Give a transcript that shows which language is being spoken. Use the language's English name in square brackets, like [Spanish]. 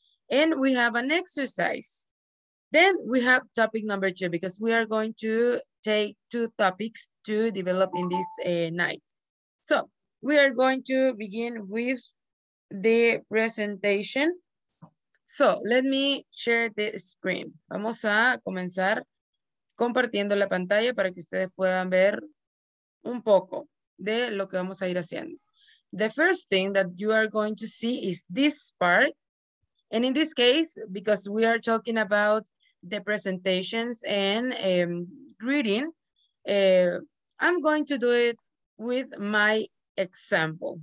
[English] And we have an exercise. Then we have topic number two, because we are going to take two topics to develop in this night. So we are going to begin with the presentation. So let me share the screen. [Spanish] Vamos a comenzar compartiendo la pantalla para que ustedes puedan ver un poco de lo que vamos a ir haciendo. [English] The first thing that you are going to see is this part. And in this case, because we are talking about the presentations and greeting, I'm going to do it with my example.